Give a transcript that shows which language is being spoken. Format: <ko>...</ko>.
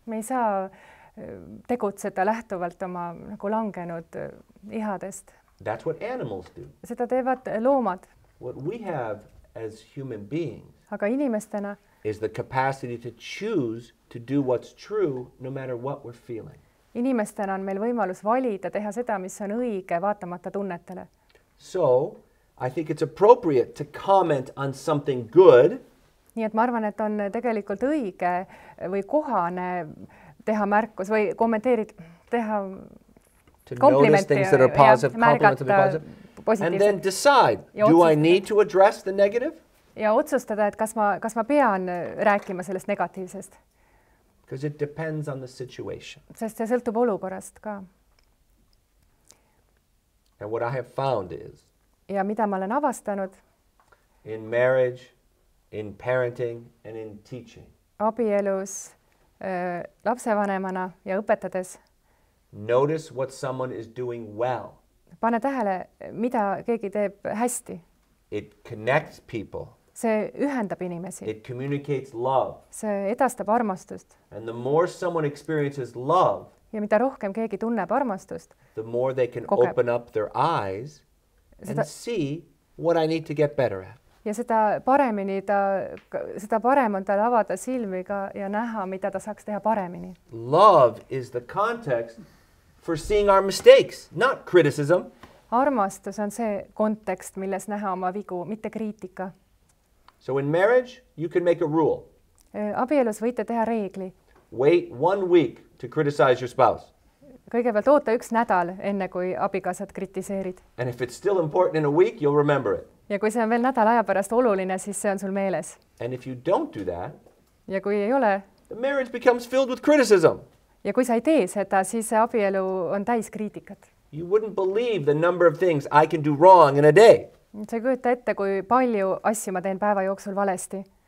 <et>Me ei saa tegutseda lähtuvalt oma nagu langenud ihadest.</et> <en>That's what animals do.</en> <et>Seda teevad loomad.</et> <en>What we have as human beings.</en> <et>Aga inimestena</et> <en>is the capacity to choose to do what's true no matter what we're feeling.</en> <et>Inimestena on meil võimalus valida teha seda, mis on õige vaatamata tunnetele.</et> <en>So, I think it's appropriate to comment on something good.</en> <et>Nii et ma arvan, et on tegelikult õige või kohane teha märkus või kommenteerida teha komplimente ja märgata positiivselt.</et> <en>And then decide, do I need to address the negative?</en> <et>Ja otsustada, et kas ma pean rääkima sellest negatiivsest.</et> <en>Because it depends on the situation.</en> <et>Sest see sõltub olukorrast ka.</et> <en>And what I have found is</en> <et>ja mida ma olen avastanud</et> <en>in marriage, in parenting and in teaching.</en> <et>Abielus, lapsevanemana ja õpetades.</et> <en>Notice what someone is doing well.</en> <et>Pane tähele, mida keegi teeb hästi.</et> <en>It connects people.</en> <et>See ühendab inimesi.</et> <en>It communicates love.</en> <et>See edastab armastust.</et> <en>And the more someone experiences love,</en> <et>ja mida rohkem keegi tunneb armastust,</et> <en>the more they can</en> <et>kogeb.</et> <en>Open up their eyes</en> <et>seda,</et> <en>and see what I need to get better at.</en> <et>Ja seda parem on tal avada silmiga ja näha, mida ta saaks teha paremini.</et> <en>Love is the context for seeing our mistakes, not criticism.</en> <et>Armastus on see kontekst, milles näha oma vigu, mitte kriitika.</et> <en>So in marriage, you can make a rule.</en> <et>Abielus võite teha reegli.</et> <en>Wait 1 week to criticize your spouse.</en> <et>Kõigepealt oota üks nädal, enne kui abikaasat kritiseerid.</et> <en>And if it's still important in a week, you'll remember it.</en> <et>Ja kui see on veel nädal aja pärast oluline, siis see on sul meeles.</et> <en>And if you don't do that,</en> <et>ja kui ei ole,</et> <en>the marriage becomes filled with criticism.</en> <et>Ja kui sa ei tee seda, siis see abielu on täis kriitikat.</et> <en>You wouldn't believe the number of things I can do wrong in a day.</en> <et>Sa ei kujuta ette, kui palju asju ma teen päeva jooksul valesti.</et>